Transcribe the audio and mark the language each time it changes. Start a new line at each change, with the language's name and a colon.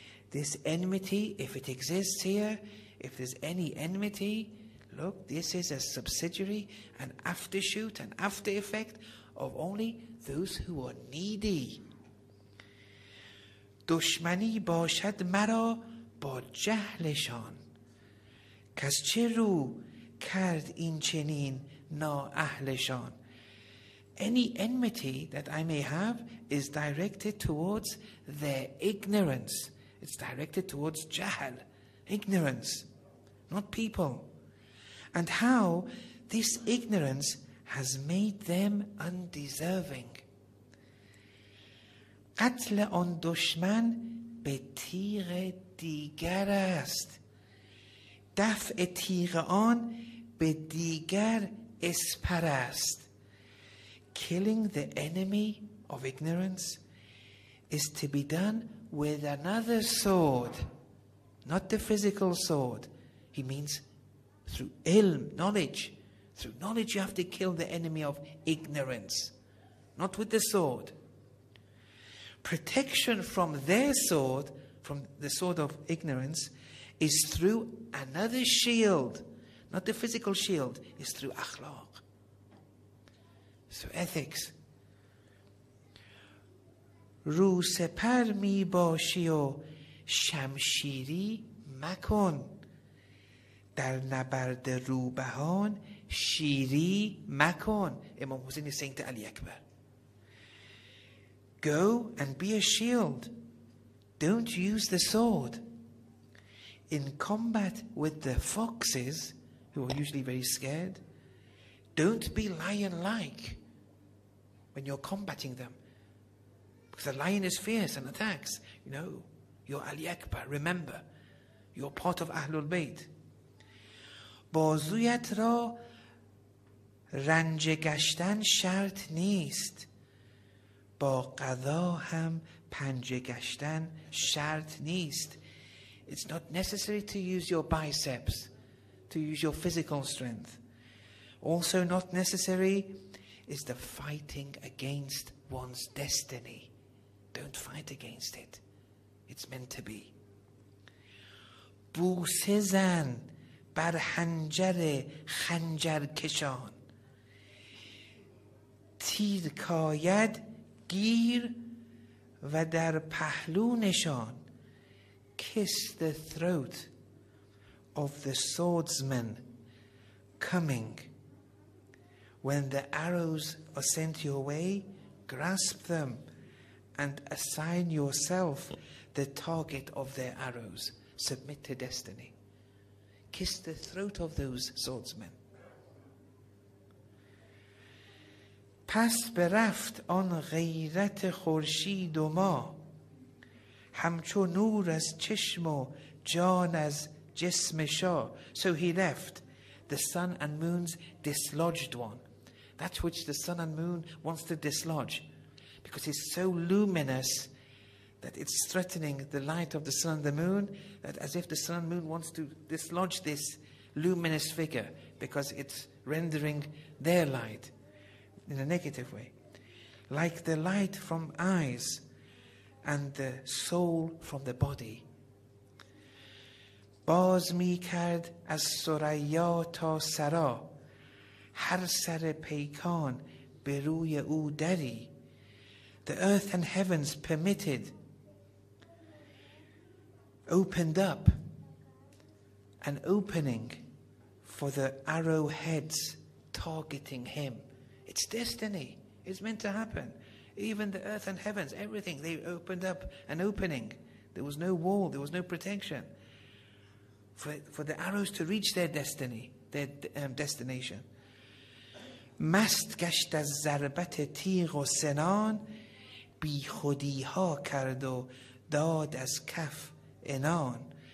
English: This enmity, if it exists here, if there's any enmity, look, this is a subsidiary, an aftershoot, an after effect of only those who are needy.
Persian: دشمنی باشد مرا با جهلشان کس چه رو کرد این چنین نا اهلشان.
English: Any enmity that I may have is directed towards their ignorance. It's directed towards jahl, ignorance, not people. And how this ignorance has made them undeserving.
Persian: قتل آن دشمن به تیغ دیگر است. دفع تیغ آن به دیگر اسپر است.
English: Killing the enemy of ignorance is to be done with another sword, not the physical sword. He means through ilm, knowledge. Through knowledge you have to kill the enemy of ignorance, not with the sword. Protection from their sword, from the sword of ignorance, is through another shield, not the physical shield, is through akhlaq. So ethics.
Persian: رو سپر می باشی و شمشیری مکن. در نبرد روبهان شیری مکن.
English: Imam Hussein is saying to Ali Akbar, go and be a shield. Don't use the sword. In combat with the foxes, who are usually very scared, don't be lion-like. When you're combating them. Because a lion is fierce and attacks. No, you're Ali Akbar, remember. You're part of Ahlul Bayt.
Persian: بازویت را رنج گشتن شرط نیست. با قضا هم پنج گشتن شرط نیست.
English: It's not necessary to use your biceps, to use your physical strength. Also not necessary is the fighting against one's destiny. Don't fight against it. It's meant to be.
Persian: بوسه زن بر حنجر خنجر کشان. تیر کاید گیر و در پهلو نشان.
English: Kiss the throat of the swordsman coming. When the arrows are sent your way, grasp them and assign yourself the target of their arrows. Submit to destiny. Kiss the throat of those swordsmen.
Persian: پس برفت آن غیرت خورشید و ما همچون نور از چشم و جان از جسم شاه.
English: So he left. The sun and moon's dislodged one. That which the sun and moon wants to dislodge. Because it's so luminous that it's threatening the light of the sun and the moon, that as if the sun and moon wants to dislodge this luminous figure because it's rendering their light in a negative way. Like the light from eyes and the soul from the body.
Persian: باز می کرد از سریا تا سرا هر سر پیکان به روی او دری.
English: The earth and heavens permitted, opened up an opening for the arrowheads targeting him. It's destiny. It's meant to happen. Even the earth and heavens, everything, they opened up an opening. There was no wall, there was no protection for the arrows to reach their destiny, their destination.
Persian: مست گشت از ضربت تیغ و سنان بی خودی ها کرد و داد از کف انان.